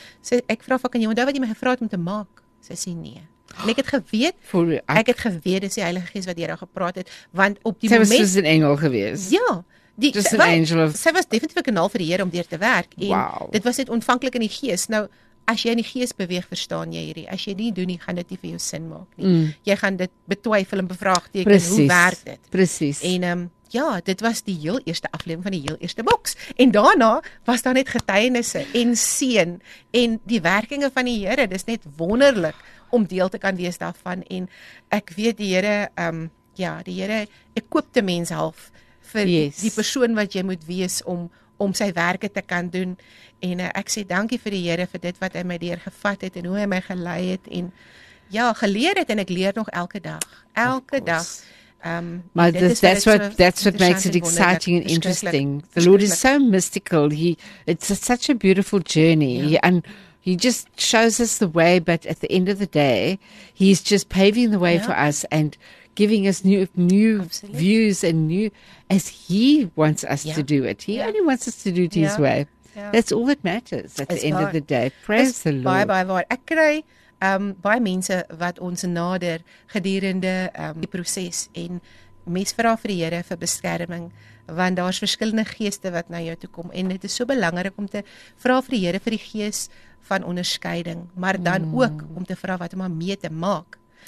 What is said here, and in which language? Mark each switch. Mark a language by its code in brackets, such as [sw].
[af] Sy, ek vra vir, kan jy onthou wat jy my gevra het om te maak? Sy sê nee. En ek het geweet, dis die Heilige Gees wat jy daar gepraat het, want op die sy moment... Sy was soos een engel gewees. Ja. Die, [en] just sy, an angel of... [af] Sy was definitief een kanaal vir die Here om deur te werk. En wow. Dit was net ontvanklik in die Gees. Nou, as jy in die Gees beweeg, verstaan jy hierdie. As jy nie doen nie, gaan dit nie vir jou sin maak nie. Jy gaan dit betwyfel en bevraagteken, hoe werk dit? Precies. En ja, dit was die heel eerste aflewering van die heel eerste boks. En daarna was daar net getuienisse en seën en die werkinge van die Here. Dis net wonderlik om deel te kan wees daarvan. En ek weet die Here, die Here, ek koop te mens half vir die persoon wat jy moet wees om sy werke te kan doen. En ek sê dankie vir die Here vir dit wat hy my deur gevat het en hoe hy my gelei het. En ja, geleer het en ek leer nog elke dag. Elke dag. [en] But that's what makes it exciting and interesting. The Lord is so mystical. It's such a beautiful journey. Yeah. He just shows us the way, but at the end of the day, He's just paving the way for us and giving us new views and new, as He wants us to do it. He only wants us to do it His way. Yeah. That's all that matters at the end of the day. Praise the Lord. [af] Baie mense wat ons nader gedurende die proses en mens vra vir die Here vir beskerming, want daar's verskillende geeste wat na jou toe kom en dit is so belangrik om te vra vir die Here vir die gees van onderskeiding, maar dan ook om te vra wat om mee te maak.